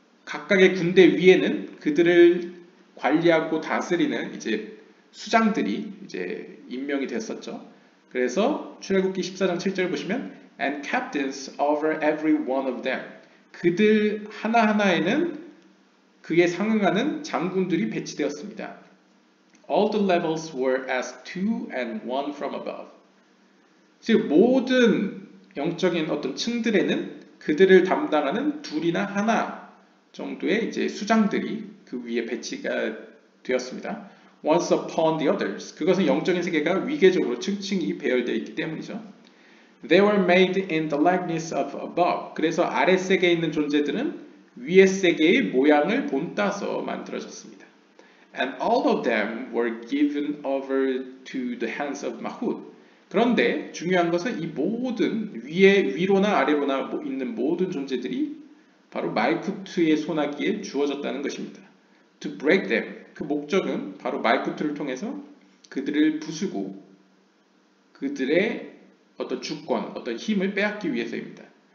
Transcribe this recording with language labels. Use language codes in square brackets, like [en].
[ko] 각각의 군대 위에는 그들을 관리하고 다스리는 이제 수장들이 이제 임명이 됐었죠. 그래서 출애굽기 14장 7절을 보시면 [en] and captains over every one of them. [ko] 그들 하나하나에는 그에 상응하는 장군들이 배치되었습니다. [en] All the levels were as two and one from above. [ko] 즉, 모든 영적인 어떤 층들에는 그들을 담당하는 둘이나 하나 정도의 이제 수장들이 그 위에 배치가 되었습니다. [en] Once upon the others. [ko] 그것은 영적인 세계가 위계적으로 층층이 배열되어 있기 때문이죠. [en] They were made in the likeness of above. [ko] 그래서 아래 세계에 있는 존재들은 위에 세계의 모양을 본따서 만들어졌습니다. [en] And all of them were given over to the hands of Mahud. [ko] 그런데 중요한 것은 이 모든 위로나 아래로나 있는 모든 존재들이 바로 말쿠트의 손아귀에 주어졌다는 것입니다. [en] To break them. [ko] 그 목적은 바로 말쿠트를 통해서 그들을 부수고 그들의 어떤 주권, 어떤 힘을 빼앗기 위해서입니다.